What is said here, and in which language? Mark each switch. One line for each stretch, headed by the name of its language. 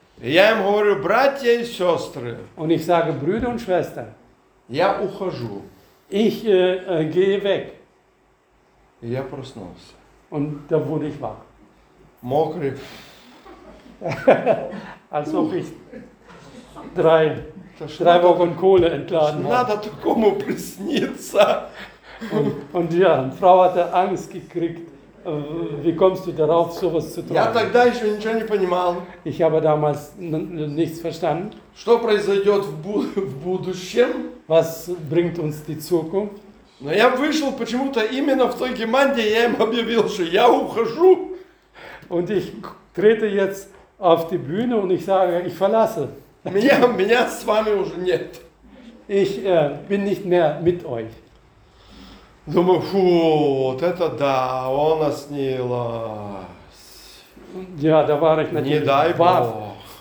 Russian: Я им говорю, братья и сестры.
German: Und ich sage, Brüder und Schwestern.
Russian: Я ухожу.
German: Ich gehe weg.
Russian: Я проснулся.
German: Und da wurde ich wach.
Russian: Мокрый.
German: Als ob ich 3 Wochen Kohle entladen habe.
Russian: Надо такому присниться.
German: Und ja, die Frau hatte Angst gekriegt. Wie kommst du darauf, sowas zu träumen?
Russian: Я тогда еще ничего не понимал.
German: Ich habe damals nichts verstanden.
Russian: Что произойдет в будущем?
German: Was bringt uns die Zukunft?
Russian: Но я вышел почему-то именно в той команде, я им объявил, что я ухожу.
German: Und ich trete jetzt auf die Bühne und ich sage, ich verlasse.
Russian: Меня с вами уже нет.
German: Ich bin nicht mehr mit euch.
Russian: Думаю, фу, вот это да, он снилось.
German: Ja, da war ich natürlich.
Russian: Не дай Бог.